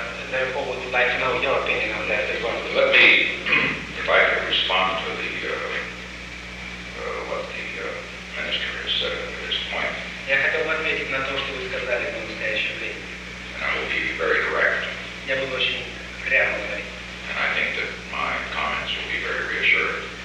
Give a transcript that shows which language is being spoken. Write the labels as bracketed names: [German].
[English] Therefore, we would like to know your opinion on that. Let me, if I could respond to the what the minister has said at this point. [Russian] Я хотел бы ответить на то, что вы сказали в настоящее время. [English] And I will be very direct. [Russian] Я буду очень прямо говорить. [English] And I think that my comments will be very reassuring.